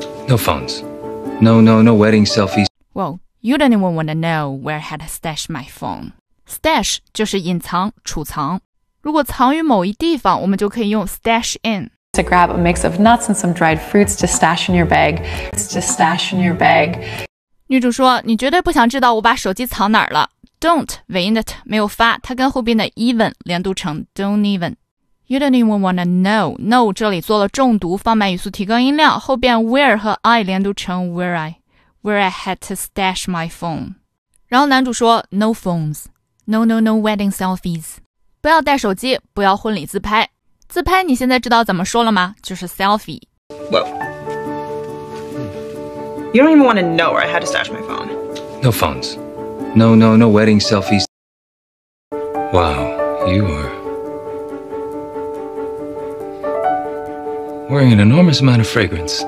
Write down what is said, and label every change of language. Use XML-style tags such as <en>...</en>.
<en>No phones. No wedding selfies. Well. You don't even want to know where I had to stash my phone.</en> <zh>Stash 就是隐藏、储藏。如果藏于某一地方，我们就可以用 stash in.</zh> <en>To grab a mix of nuts and some dried fruits to stash in your bag. It's to stash in your bag.</en> <zh>女主说：“你绝对不想知道我把手机藏哪儿了。” Don't 尾音的 t 没有发，它跟后边的 even 连读成 don't even.</zh> <en>You don't even want to know.</en> <zh>No 这里做了重读，放慢语速，提高音量。后边 where 和 I 连读成 where I.</zh> <en>Where I had to stash my phone.</en> <zh>然后男主说</zh> <en>No phones. No wedding selfies.</en> <zh>不要带手机，不要婚礼自拍。自拍你现在知道怎么说了吗？就是 selfie.</zh> <en>Well, you don't even want to know where I had to stash my phone. No phones. No wedding selfies. Wow, you are wearing an enormous amount of fragrance.</en>